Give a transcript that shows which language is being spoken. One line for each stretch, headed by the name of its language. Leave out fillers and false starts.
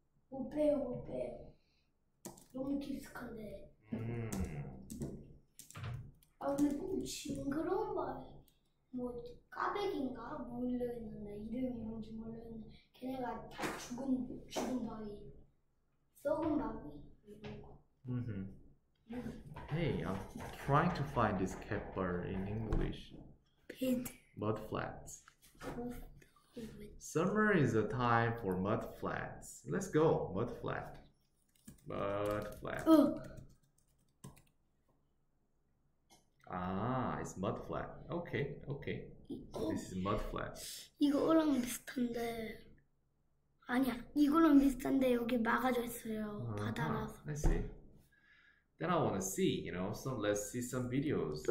Korean: 못 빼요, 못 빼요. 너무 깊숙한데. 아 근데 너무 징그러운 바위. 뭐 꽈배기인가? 뭐 올려있는데 이름이 뭔지 모르는데 걔네가 다 죽은 바위, 썩은 바위 이런 거.
English: Hey, I'm trying to find this cat bird in English. Pit. Mudflats. Summer is a time for mudflats. Let's go, mudflat. Mudflat. Ah, it's mudflat. Okay, okay. This is mudflat.
Korean: 이거랑 비슷한데. 아니야, 이거랑 비슷한데 여기 막아져 있어요. 바다라서.
English: I see. Then I want to see, you know, so let's see some videos.